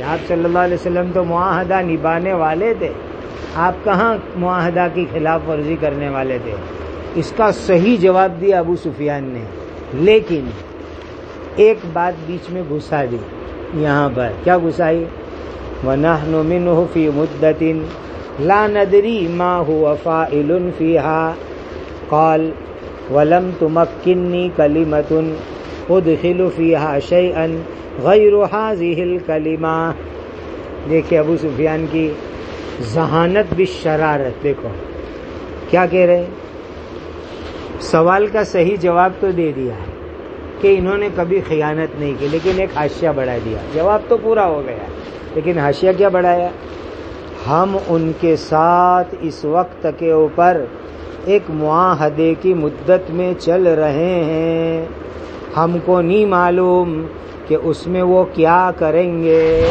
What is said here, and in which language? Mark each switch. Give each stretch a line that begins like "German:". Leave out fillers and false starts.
Hindi: आप सल्लल्लाहु अलैहि वसल्लम तो मुआहदा निभाने वाले थे, आप कहाँ मुआहदा की खिलाफ वर्जी करने वाले थे। इसका सही जवाब दिया अबू सुफियान ने, लेकिन एक बात बीच में घुसा दी यहाँ पर, क्या घुसाई,
Arabic: वनहनु मिनहु फी मुद्दतिन ला नदरी मा हुवा फाइलुन फीहा। قال ولم تمكنني كلمة ادخل فيها شيئا غير هذه الكلمة।
Hindi: देखिए अबू सुफियान की जहानत भी शरारत, देखो क्या कह रहे हैं। सवाल का सही जवाब तो दे दिया है कि इन्होंने कभी खयानत नहीं की, लेकिन एक हाशिया बढ़ा दिया, जवाब तो पूरा हो गया, लेकिन हाशिया क्या बढ़ाया, हम उनके साथ इस वक्त के ऊपर एक मुआहदे की मुद्दत में चल रहे हैं, हमको नहीं मालूम कि उसमें वो क्या करेंगे,